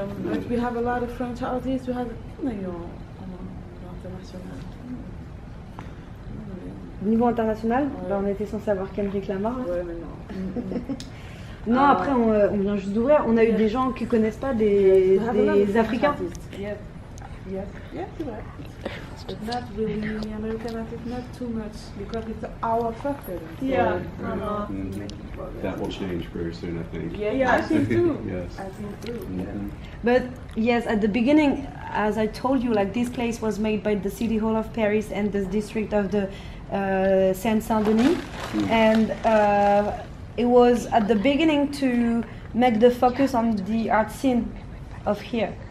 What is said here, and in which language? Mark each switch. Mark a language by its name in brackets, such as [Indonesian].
[English] But we have a lot of French artists, we have, you know, international. [French] Au niveau international, on était censé avoir Kendrick Lamar. Ouais, mais non. Non, après, on vient juste d'ouvrir. On a eu des gens qui ne connaissent pas, des Africains. [English] Yes, yes, yes, [French] c'est vrai. [English] It's not really American artist, not too much, because it's our first event. Yeah, That will change very soon, I think. Yeah, I think too. Yes. I think too. Mm-hmm. But yes, at the beginning, as I told you, like, this place was made by the City Hall of Paris and the district of the Saint-Denis, and it was at the beginning to make the focus on the art scene of here.